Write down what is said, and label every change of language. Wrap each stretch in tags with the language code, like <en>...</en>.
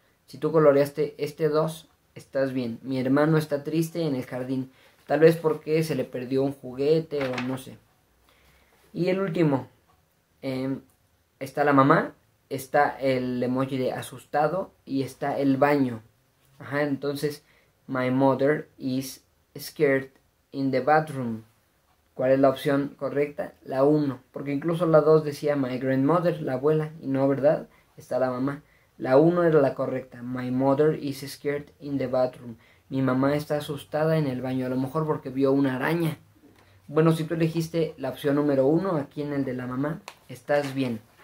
<es>Si tú coloreaste este 2, estás bien. Mi hermano está triste en el jardín. Tal vez porque se le perdió un juguete o no sé. Y el último, está la mamá, está el emoji de asustado y está el baño. Ajá, entonces,</es> <en>my mother is scared in the bathroom.</en> <es>¿Cuál es la opción correcta? La 1, porque incluso la 2 decía</es> <en>my grandmother,</en> <es>la abuela, y no, ¿verdad? Está la mamá. La 1 era la correcta,</es> <en>my mother is scared in the bathroom.</en> <es>Mi mamá está asustada en el baño, a lo mejor porque vio una araña. Bueno, si tú elegiste la opción número 1, aquí en el de la mamá, estás bien.</es>